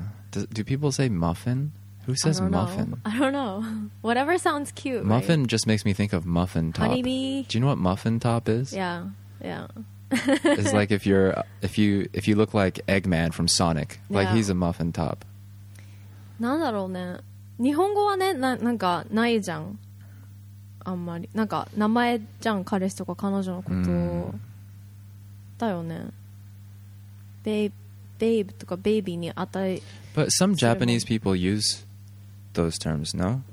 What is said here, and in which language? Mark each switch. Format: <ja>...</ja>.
<en>Do people say muffin? Who says muffin? I don't know. Whatever sounds cute. Muffin right? just makes me think of muffin top. Honeybee. Do you know what muffin top is? Yeah. Yeah. It's like if you look like Eggman from Sonic. Like yeah. he's a muffin top.</en> <ja>なんだろうね。日本語はね、なんかないじゃん。あんまりなんか名前じゃん彼氏とか彼女のことだよね。 babe とかベイビーにあたり。</ja> <en>But some Japanese people use those terms, no?</en>